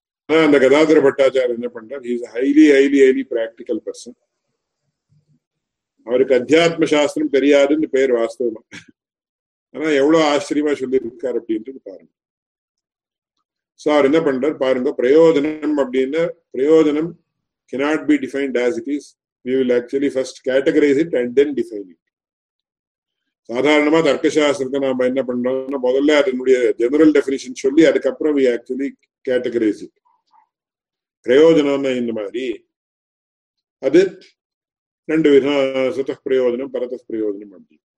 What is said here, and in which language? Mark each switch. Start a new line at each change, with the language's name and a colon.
Tamil: ஆனா அந்த கதாதர பட்டாச்சாரியர் என்ன பண்றார்,
English: He is highly highly highly practical person.
Tamil: அவருக்கு அத்தியாத்ம சாஸ்திரம் தெரியாதுன்னு பேர் வாஸ்தவம், ஆனா எவ்வளவு ஆச்சரியமா சொல்லி இருக்கார் அப்படின்றது பாருங்க. சார் என்ன பண்றார் பாருங்க, பிரயோஜனம் அப்படின்னா பிரயோஜனம்
English: cannot be defined as it is. We will actually first categorize it and then define it.
Tamil: சாதாரணமா தர்க்கசாஸ்திரத்தை நாம என்ன பண்றோம்னா, முதல்ல அதனுடைய
English: general definition
Tamil: சொல்லி அதுக்கப்புறம்
English: we actually categorize it.
Tamil: பிரயோஜனம்னா இந்த மாதிரி, அது ரெண்டு விதம், சுத பிரயோஜனம் பரத பிரயோஜனம் அப்படி.